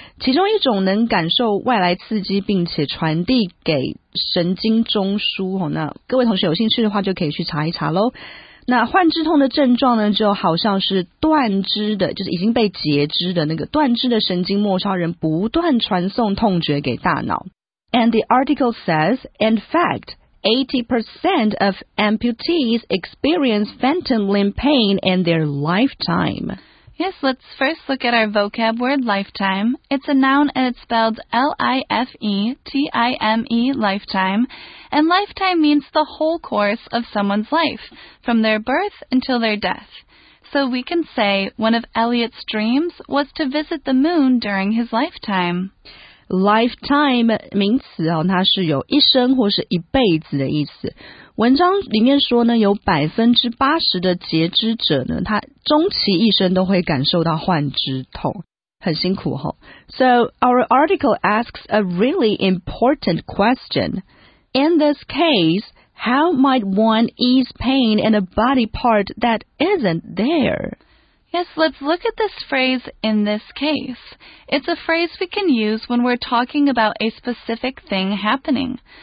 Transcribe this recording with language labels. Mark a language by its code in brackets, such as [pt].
[zh] 其中一种能感受外来刺激并且传递给神经中枢。那各位同学有兴趣的话就可以去查一查咯。那患肢痛的症状呢，就好像是断肢的，就是已经被截肢的那个断肢的神经末梢人不断传送痛觉给大脑。 [en] And the article says, in fact, 80% of amputees experience phantom limb pain in their lifetime. Yes, let's first look at our vocab word lifetime. It's a noun and it's spelled L-I-F-E-T-I-M-E, lifetime. And lifetime means the whole course of someone's life, from their birth until their death. So we can say one of Eliot's dreams was to visit the moon during his lifetime. [zh] Lifetime 名词哦，它是有一生或是一辈子的意思。文章里面说呢，有 80% 的截肢者呢，他终其一生都会感受到患肢痛，很辛苦哦。 [en] So our article asks a really important question. In this case, how might one ease pain in a body part that isn't there? Yes, let's look at this phrase, in this case. It's a phrase we can use when we're talking about a specific thing happening.